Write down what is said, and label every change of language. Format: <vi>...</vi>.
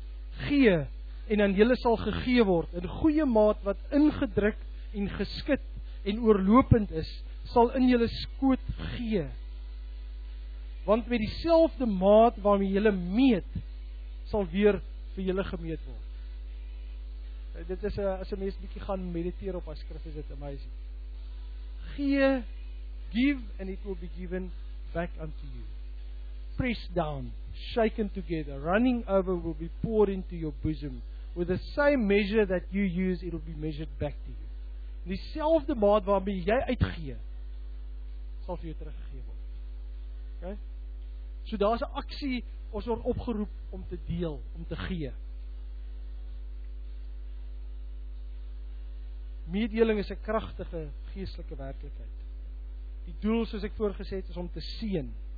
<af>Gee en dan julle sal gegee word. In goeie maat wat ingedruk en geskit en oorlopend is, sal in julle skoot gee. Want met dieselfde maat waarmee julle meet, sal weer vir julle gemeet word. Dit is as 'n mens bietjie gaan mediteer op die skrif, is dit amazing.</af> <en>Gee, give and it will be given back unto you. Pressed down, shaken together, running over will be poured into your bosom. With the same measure that you use, it will be measured back to you.</en> <af>Dieselfde maat waarmee jy uitgee, sal vir jou teruggegee word. Okay? So daar's 'n aksie, ons word opgeroep om te deel, om te gee. Meedeling is 'n kragtige geestelike werklikheid. Die doel, soos ek voorgesê het, is om te seën.</af>